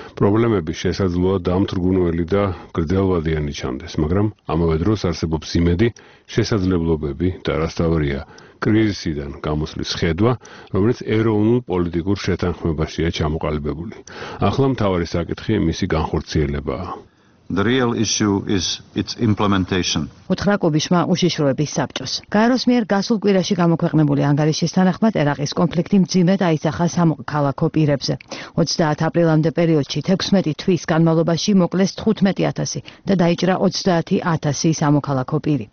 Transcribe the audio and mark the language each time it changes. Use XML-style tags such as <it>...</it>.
<ka>პრობლემები შესაძლოა დამთრგუნველი და გრძელვადიანი ჩანდეს, მაგრამ ამავე დროს არსებობს იმედი, შესაძლებლობები და რასთავარია კრიზისიდან გამოსვლის ხედვა, რომელიც ეროვნულ პოლიტიკურ შეთანხმებაშია ჩამოყალიბებული. ახლა მთავარი საკითხი მისი განხორციელებაა.</ka> <en>The real issue is its implementation.</en> <ka>უთხრაკობიშმა უშიშროების საბჭოს. გაეროს მიერ გასულ კვირაში გამოქვეყნებული ანგარიშის თანახმად, ერაყის კონფლიქტი მძიმედ აისახა სამოქალაქო პირებზე. 30 აპრილამდე პერიოდში 16 თვის განმავლობაში მოკლეს 15000 და დაიჭრა 30000 სამოქალაქო პირი.</ka>